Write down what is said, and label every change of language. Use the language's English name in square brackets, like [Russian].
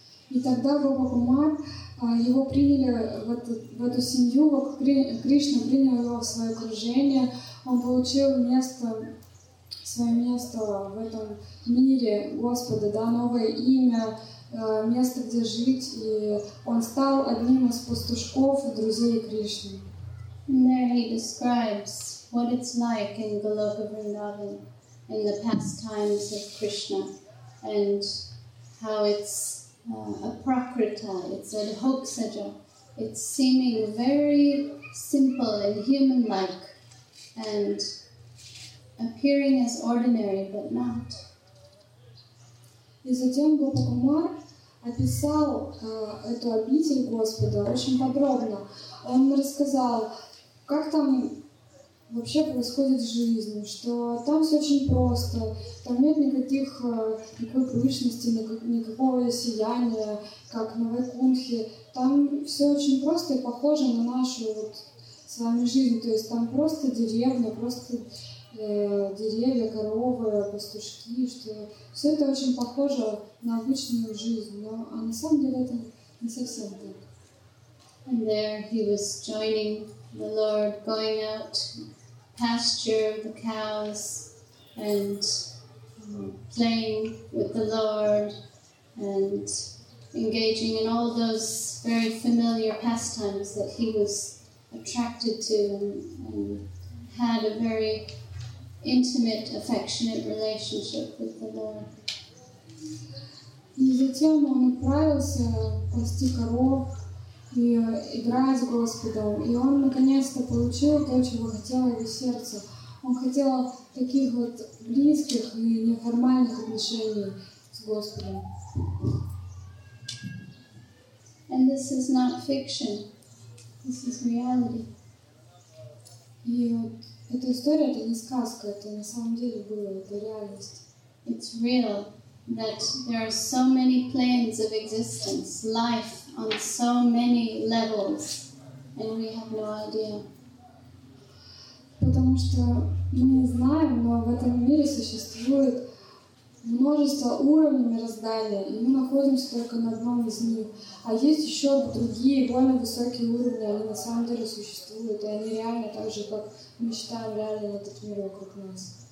[Russian] И тогда Гопакумар, его приняли в эту семью, Кришна принял его в свое окружение, он получил место, свое место в этом мире Господа, да, новое имя, место, где жить, и он стал одним из пастушков и друзей Кришны. [English] And there he describes what it's like in Goloka Vrindavan, in the pastimes of Krishna, and how it's a prakriti, it's a hoksaja. It's seeming very simple and human-like and appearing as ordinary, but not. [Russian] И затем Гопакумар описал эту обитель Господа очень подробно. Он рассказал, как там вообще происходит жизнь, что там все очень просто, там нет никаких, никакой пышности, никакого сияния, как на Вайкунтхе. Там все очень просто и похоже на нашу вот с вами жизнь. То есть там просто деревня, просто деревья, коровы, пастушки, что все это очень похоже на обычную жизнь, но, а на самом деле это не совсем так. [English] And there he was joining the Lord, going out to pasture the cows and playing with the Lord and engaging in all those very familiar pastimes that he was attracted to and had a very intimate, affectionate relationship with the Lord. [Russian] И затем он отправился пасти коров, и играя с Господом, и он наконец-то получил то, чего хотело его сердце. Он хотел таких вот близких и неформальных отношений с Господом. [English] And this is not fiction. This is reality. [Russian] И вот эта история — это не сказка, это на самом деле было, это реальность. [English] It's real that there are so many planes of existence, life on so many levels, and we have no idea. [Russian] Потому что мы не знаем, но в этом мире существует множество уровней мироздания, и мы находимся только на одном из них. А есть еще другие, более высокие уровни, они на самом деле существуют, и они реально так же, как мы считаем, реально этот мир вокруг нас.